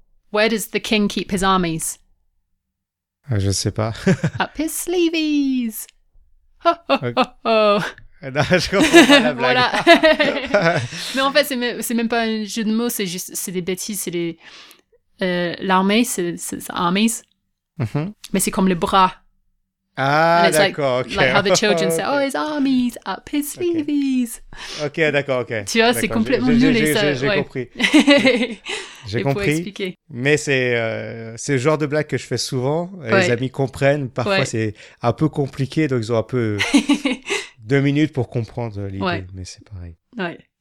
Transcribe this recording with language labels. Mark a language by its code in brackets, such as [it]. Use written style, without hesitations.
[en] Where does the king keep his armies? [fr] Je sais pas. [en] Up his sleeves. [fr] Non, je comprends pas la blague. Voilà. Mais en fait, c'est même pas un jeu de mots, c'est juste, c'est des bêtises, c'est l'armée, c'est [en] armies. [fr] Mais c'est comme le bras. Ah, [en] and it's [fr] d'accord, [en] like, like how the children say, oh, his armies, up his sleeves. [fr] Ok, d'accord. Tu vois, d'accord. C'est complètement nul et ça. J'ai compris. J'ai compris. Mais c'est le genre de blague que je fais souvent. Ouais. Les amis comprennent. Parfois, c'est un peu compliqué, donc ils ont un peu deux minutes pour comprendre l'idée. Ouais. Mais c'est pareil. Ouais.